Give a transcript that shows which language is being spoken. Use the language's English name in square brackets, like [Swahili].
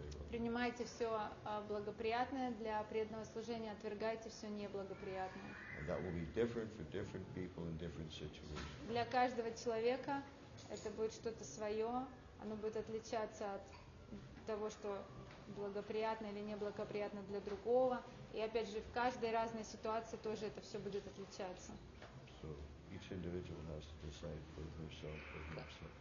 [Russian] Принимайте все благоприятное для преданного служения, отвергайте все неблагоприятное. [English] And that will be different for different people in different situations. [Russian] Для каждого человека это будет что-то свое, оно будет отличаться от того, что благоприятно или неблагоприятно для другого. И опять же, в каждой разной ситуации тоже это все будет отличаться. [English] So each individual has to decide for himself, for himself.